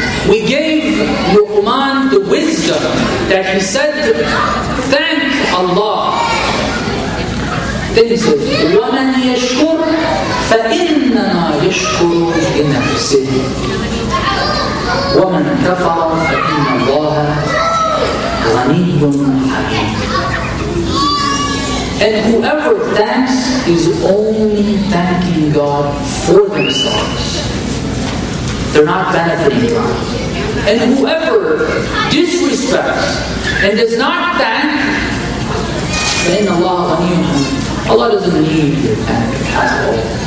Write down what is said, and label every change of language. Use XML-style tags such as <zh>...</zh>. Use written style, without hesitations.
<en>We gave Luqman the wisdom that he said, thank Allah.</en> <ar>Then he says, وَمَنْ يَشْكُرْ فَإِنَّمَا يَشْكُرُ لِنَفْسِهِ وَمَنْ كَفَرَ فَإِنَّ اللَّهَ غَنِيٌّ حَكِيمٌ.</ar> <en>And whoever thanks is only thanking God for themselves. They're not benefiting God. And whoever disrespects and does not thank, then Allah doesn't need your thanks at all.</en>